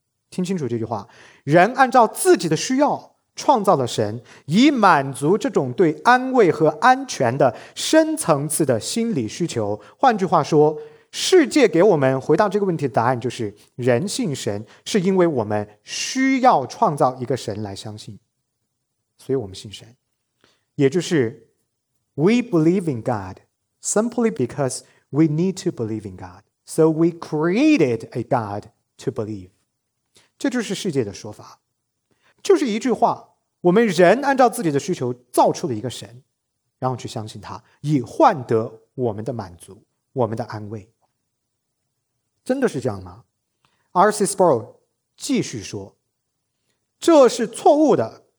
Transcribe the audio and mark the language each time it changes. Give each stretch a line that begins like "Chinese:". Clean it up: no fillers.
Chinese: 听清楚这句话，人按照自己的需要创造了神，以满足这种对安慰和安全的深层次的心理需求。换句话说，世界给我们回答这个问题的答案就是，人信神是因为我们需要创造一个神来相信，所以我们信神。也就是
English: We believe in God simply because we need to believe in God. So we created a God to believe.
Chinese: 这就是世界的说法。就是一句话，我们人按照自己的需求造出了一个神，然后去相信他，以换得我们的满足，我们的安慰。真的是这样吗？R.C. Sproul 继续说，这是错误的。